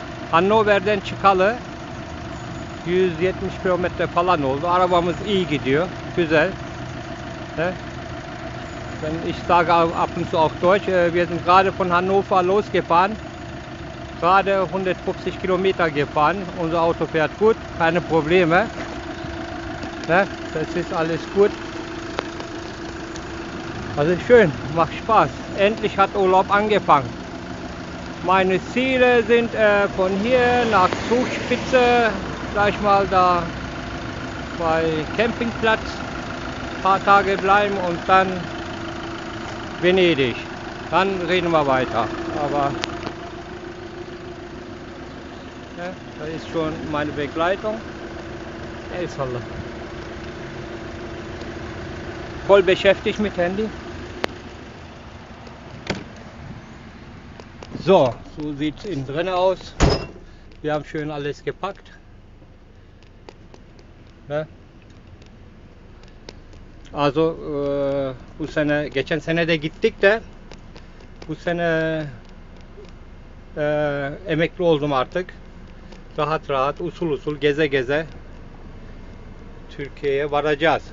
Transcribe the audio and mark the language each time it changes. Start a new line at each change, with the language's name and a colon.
Turkish: Hannover'den çıkalı 170 km falan oldu. Arabamız iyi gidiyor, güzel.
German: Ich sage ab und zu auch Deutsch. Wir sind gerade von Hannover losgefahren. Gerade 150 Kilometer gefahren. Unser Auto fährt gut, keine Probleme. Ne? Das ist alles gut. Also schön, macht Spaß. Endlich hat Urlaub angefangen. Meine Ziele sind von hier nach Zugspitze, gleich mal da bei Campingplatz, ein paar Tage bleiben und dann Venedig. Dann reden wir weiter. Aber ja, da ist schon meine Begleitung. Voll beschäftigt mit Handy. So, so sieht es innen drin aus. Wir haben schön alles gepackt. Ja.
Turkish: Also bu sene, geçen sene de gittik de bu sene emekli oldum artık. Rahat rahat, usul usul, geze geze Türkiye'ye varacağız.